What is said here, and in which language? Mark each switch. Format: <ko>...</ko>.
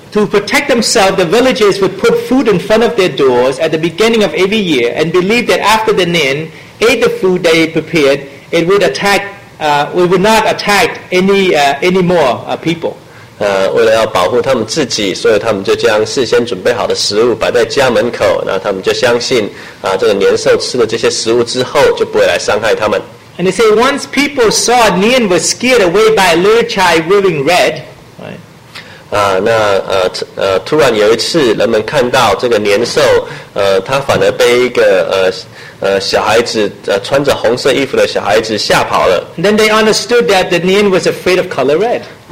<en>To protect themselves, the villagers would put food in front of their doors at the beginning of every year and believe that after the Nian ate the food they prepared, it would attack. We would not attack any more people.</en> <zh>为了要保护他们自己，所以他们就将事先准备好的食物摆在家门口。那他们就相信，这个年兽吃了这些食物之后，就不会来伤害他们。</zh> <en>And they say, once people saw Nian was scared away by Lu Chai wearing red, right? Then they understood that the Nian was afraid of color red.</en>